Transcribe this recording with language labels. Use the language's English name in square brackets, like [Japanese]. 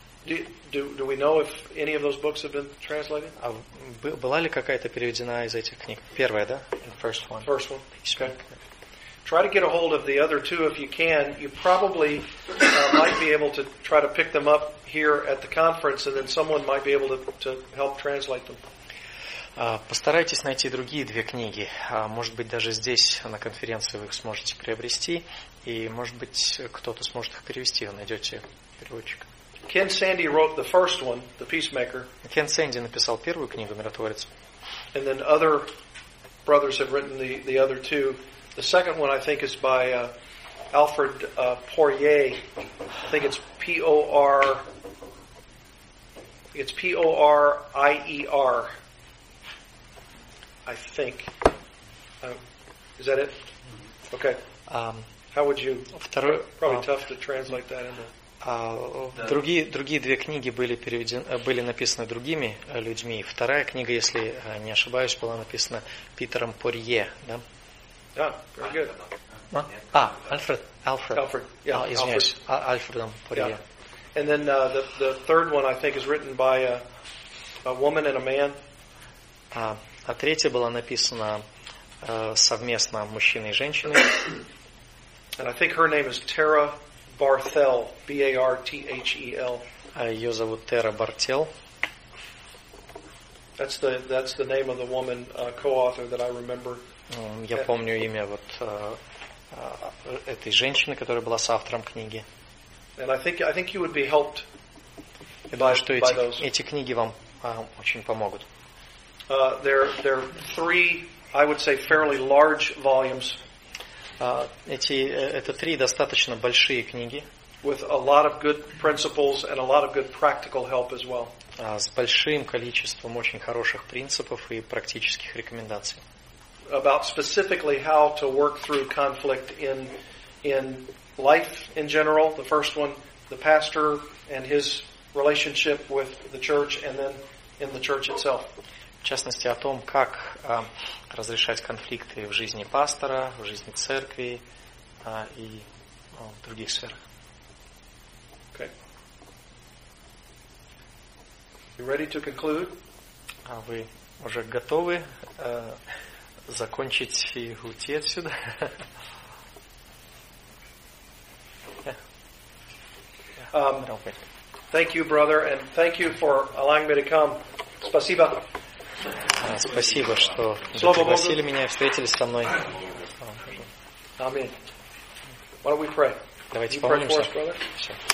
[English] Do we know if any of those books have been translated? [Russian] Была ли какая-то переведена из этих книг? Первая, да? [English] First one. Peacemaker. Try to get a hold of the other two if you can. You probably might be able to try to pick them up here at the conference, and then someone might be able to help translate them. [Russian] Постарайтесь найти другие две книги. Может быть, даже здесь на конференции вы их сможете приобрести, и может быть, кто-то сможет их перевести. Вы найдете переводчика. [English] Ken Sandy wrote the first one, The Peacemaker. [Russian] Ken Sandy написал первую книгу «Миротворец». [English] And then other brothers have written the other two. The second one, I think, is by Alfred Poirier. I think it's P-O-R-I-E-R. I think. Is that it? Okay. How would you... Probably tough to translate that into... [Russian] Другие две книги были написаны другими людьми. Вторая книга, если не ошибаюсь, была написана Питером Порье, да? Да, [English] very good. [Russian] Альфред. Извиняюсь, Альфредом Порье. [English] Yeah. And then the third one, I think, is written by a woman and a man. [Russian] А третья была написана совместно мужчиной и женщиной. [English] And I think her name is Tara Barthel, B-A-R-T-H-E-L. [Russian] Ее зовут Тера Бартел. [English] That's the name of the woman co-author that I remember. [Russian] Я помню имя вот этой женщины, которая была соавтором книги. [English] And I think you would be helped. [Russian] Я думаю, что эти книги вам очень помогут. [English] There are three, I would say, fairly large volumes. [Russian] Это три достаточно большие книги. [English] With a lot of good principles and a lot of good practical help as well. [Russian] С большим количеством очень хороших принципов и практических рекомендаций. [English] About specifically how to work through conflict in life in general. The first one, the pastor and his relationship with the church, and then in the church itself. [Russian] В частности, о том, как разрешать конфликты в жизни пастора, в жизни церкви и в других сферах. [English] Okay. You ready to conclude? [Russian] А вы уже готовы закончить и уйти отсюда? [English] Thank you, brother, and thank you for allowing me to come. [Russian] Спасибо. Спасибо, что пригласили меня и встретились со мной. Аминь. [English] Why don't we pray? [Russian] Давайте помолимся. [English] Pray for us, brother. [Russian] Все.